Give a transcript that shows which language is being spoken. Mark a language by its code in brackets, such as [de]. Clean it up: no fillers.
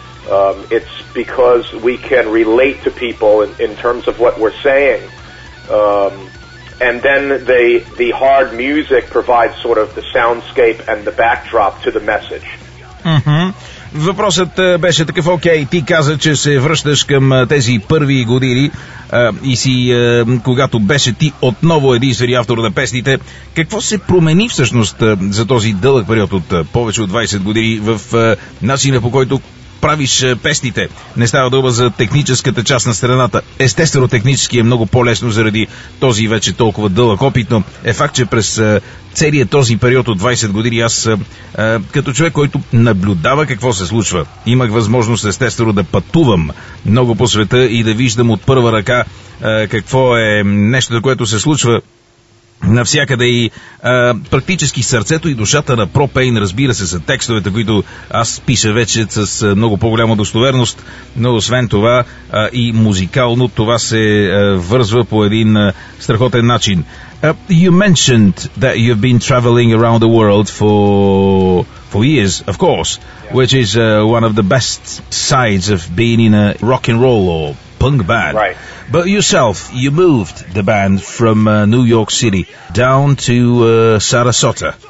[en] It's because we can relate to people in terms of what we're saying, and then the hard music provides sort of the soundscape and the backdrop to the message. Mm-hmm. [bg] Въпросът беше такъв, окей, ти каза, че се връщаш към тези първи години и си, когато беше ти отново единствени автор на песните, какво се промени всъщност за този дълъг период от повече от 20 години в начина, по който правиш песните? Не става дума за техническата част на страната. Естествено, технически е много по-лесно заради този вече толкова дълъг опит, но е факт, че през целият този период от 20 години аз, като човек, който наблюдава какво се случва, имах възможност естествено да пътувам много по света и да виждам от първа ръка какво е нещо, което се случва навсякъде, и практически сърцето и душата на Propane, разбира се, са текстовете, които аз пиша вече с много по-голяма достоверност, но освен това и музикално това се връзва по един страхотен начин. [en] You mentioned that you've been traveling around the world for years, of course, which is one of the best sides of being in a rock and roll or punk band. Right. But yourself, you moved the band from New York City down to Sarasota.